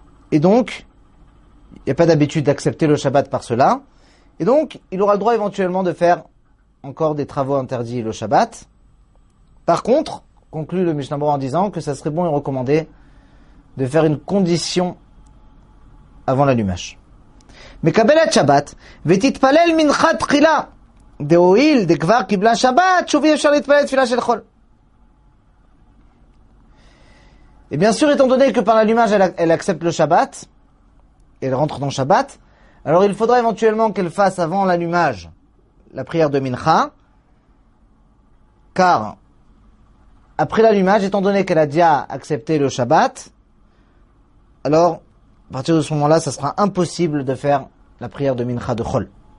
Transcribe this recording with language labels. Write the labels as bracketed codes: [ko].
[fr] Et donc, il n'y a pas d'habitude d'accepter le Shabbat par cela. Et donc, il aura le droit éventuellement de faire encore des travaux interdits le Shabbat. Par contre, conclut le Mishnah Berurah en disant que ça serait bon et recommandé de faire une condition avant l'allumage. [he] מקבלת שבת ותתפלל מנחת תחילה דהויל דכבר קיבלה שבת שוב אי אפשר להתפלל תפילה של חול. [fr] Et bien sûr, étant donné que par l'allumage, elle accepte le Shabbat, elle rentre dans Shabbat, alors il faudra éventuellement qu'elle fasse avant l'allumage la prière de Mincha, car après l'allumage, étant donné qu'elle a déjà accepté le Shabbat, alors à partir de ce moment-là, ça sera impossible de faire la prière de Mincha de Chol.